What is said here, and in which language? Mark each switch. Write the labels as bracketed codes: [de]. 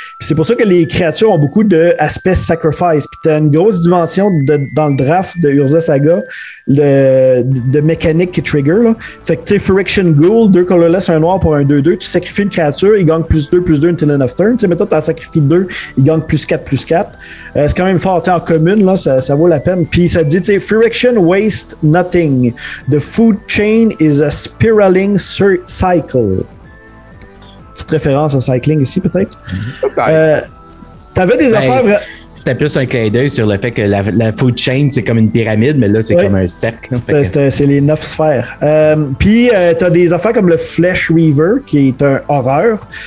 [fr] Puis c'est pour ça que les créatures ont beaucoup d'aspects sacrifice. Puis t'as une grosse dimension dans le draft de Urza Saga de mécanique qui trigger. Là. Fait que tu sais, Phyrexian Ghoul, deux colorless, un noir pour un 2-2, tu sacrifies une créature, il gagne +2/+2 [en] until end of turn. [fr] Tu sais, mais toi, t'en sacrifies deux, il gagne +4/+4. C'est quand même fort. T'sais, en commune, là, ça vaut la peine. Puis ça dit, tu sais, [en] Phyrexian waste nothing. The food chain is a spiraling cycle. [fr] Petite référence à cycling ici, peut-être. Mm-hmm. T'avais des affaires. C'était plus un clin d'œil sur le fait que la food chain, c'est comme une pyramide, mais là, c'est comme un cercle. C'est les 9 sphères. Puis, t'as des affaires comme le Flesh Reaver, qui est un horreur.